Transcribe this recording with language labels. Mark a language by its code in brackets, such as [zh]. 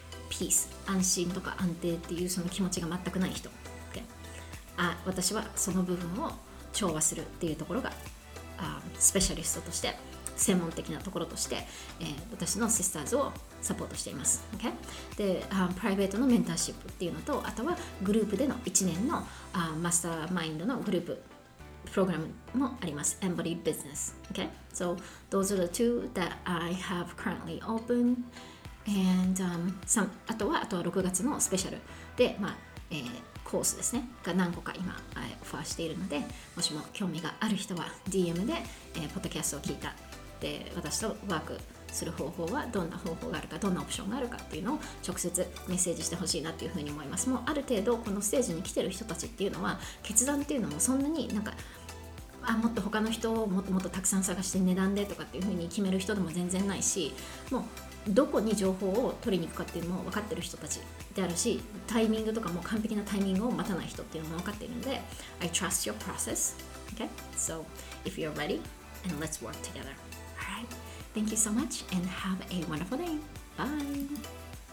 [ja] ピース、安心とか安定っていうその気持ちが全くない人、私はその部分を調和するっていうところが、スペシャリストとして専門的なところとして、私のシスターズをサポートしています、okay? で、プライベートのメンターシップっていうのと、あとはグループでの1年の、マスターマインドのグループプログラムもあります。 [en] Embodied Business. Okay? So those are the two that I have currently open. [ja] And あとは6月のスペシャルで、コースですね。が何個か今、オファーしているので、もしも興味がある人は DM で、ポッドキャストを聞いた。で、私とワークする方法はどんな方法があるか、どんなオプションがあるかっていうのを直接メッセージしてほしいなっていうふうに思います。もうある程度このステージに来てる人たちっていうのは決断っていうのもそんなになんかもっと他の人をもっとたくさん探して値段でとかっていうふうに決める人でも全然ないし、もうどこに情報を取りに行くかっていうのも分かってる人たちであるし、タイミングとかも完璧なタイミングを待たない人っていうのも分かっているので [en] I trust your process. Okay? So if you're ready and let's work together. All right. Thank you so much and have a wonderful day. Bye.